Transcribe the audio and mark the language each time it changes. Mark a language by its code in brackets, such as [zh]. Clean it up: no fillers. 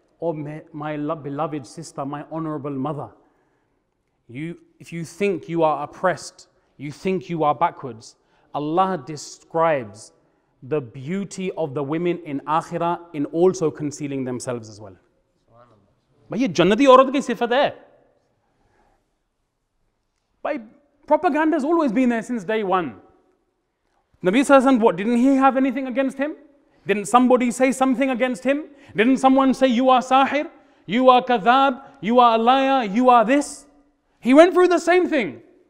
[en] Oh, my beloved sister, my honorable mother. If you think you are oppressed, you think you are backwards, Allah describes the beauty of the women in akhirah in also concealing themselves as well. [ur] But یہ جنتی عورت کی صفت ہے. [en] Propaganda has always been there since day one. Nabi Sallallahu, what, didn't he have anything against him? Didn't somebody say something against him? Didn't someone say, you are sahir, you are kadhab, you are a liar, you are this. He went through the same thing.